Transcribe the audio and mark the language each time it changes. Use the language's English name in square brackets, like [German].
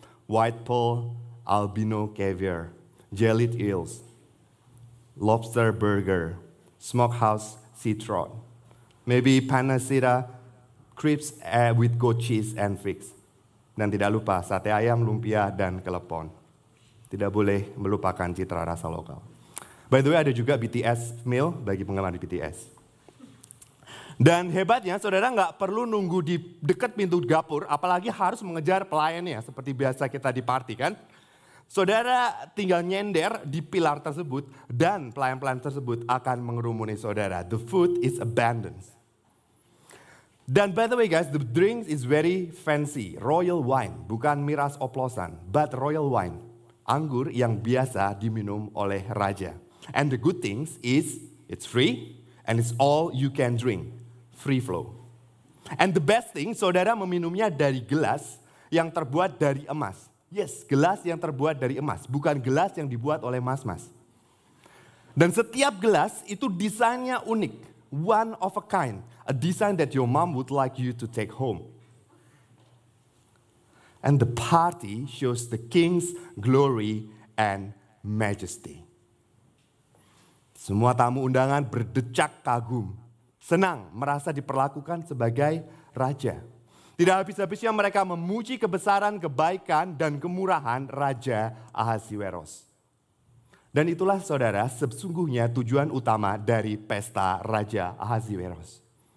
[English] White pole, albino caviar, jellied eels, lobster burger, smokehouse citron, maybe panacea, crepes with goat cheese and figs. [Indonesian] Dan tidak lupa sate ayam, lumpia, dan kelepon. Tidak boleh melupakan citra rasa lokal. [English] By the way, [Indonesian] ada juga BTS meal bagi penggemar di BTS. Dan hebatnya saudara gak perlu nunggu di dekat pintu dapur, apalagi harus mengejar pelayannya seperti biasa kita di party kan. Saudara tinggal nyender di pilar tersebut dan pelayan-pelayan tersebut akan mengerumuni saudara. [English] The food is abundant. Dan by the way guys, the drink is very fancy. Royal wine, [Indonesian] bukan miras oplosan, [English] but royal wine. [Indonesian] Anggur yang biasa diminum oleh raja. [English] And the good things is it's free and it's all you can drink. Free flow. And the best thing, [Indonesian] saudara meminumnya dari gelas yang terbuat dari emas. Yes, gelas yang terbuat dari emas, bukan gelas yang dibuat oleh mas-mas. Dan setiap gelas itu desainnya unik, [English] one of a kind, a design that your mom would like you to take home. And the party shows the king's glory and majesty. [Indonesian] Semua tamu undangan berdecak kagum. Senang merasa diperlakukan sebagai raja. Tidak habis-habisnya mereka memuji kebesaran, kebaikan, dan kemurahan Raja Ahasuerus. Dan itulah saudara sesungguhnya tujuan utama dari pesta Raja Ahasuerus.